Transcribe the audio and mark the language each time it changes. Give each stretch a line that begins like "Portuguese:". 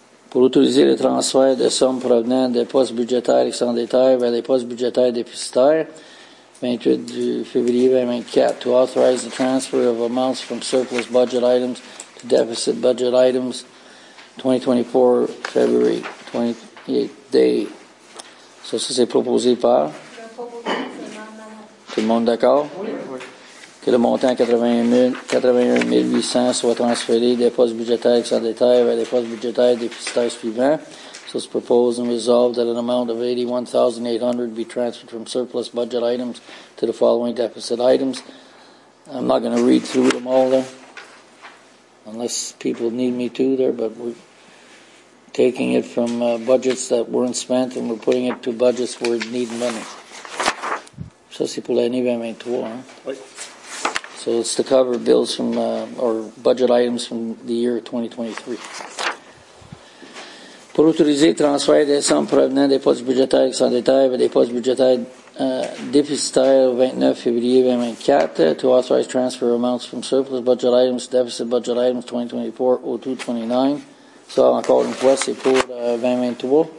French: Pour autoriser le transfert de sommes provenant des postes budgétaires excédentaires vers les postes budgétaires déficitaires, 28 du février 2024,
English: to authorize the transfer of amounts from surplus budget items to deficit budget items, 2024, February 28 day.
French: Ça, c'est proposé par? Tout le monde d'accord? Que le montant 81 800 soit transféré des postes budgétaires sans détail vers les postes budgétaires déficitaires suivants.
English: So it's proposed and resolved that an amount of $81,800 be transferred from surplus budget items to the following deficit items. I'm not going to read through them all there, unless people need me to there, but we're taking it from budgets that weren't spent and we're putting it to budgets where it needs money.
French: Ça, c'est pour l'année 2023, hein? Oui.
English: So it's to cover bills from, or budget items from the year 2023.
French: Pour autoriser le transfert des sommes provenant des postes budgétaires excédentaires vers des postes budgétaires déficitaires au 29 février 2024,
English: to authorize transfer amounts from surplus budget items to deficit budget items 2024-02-29.
French: So encore une fois, c'est pour 2023.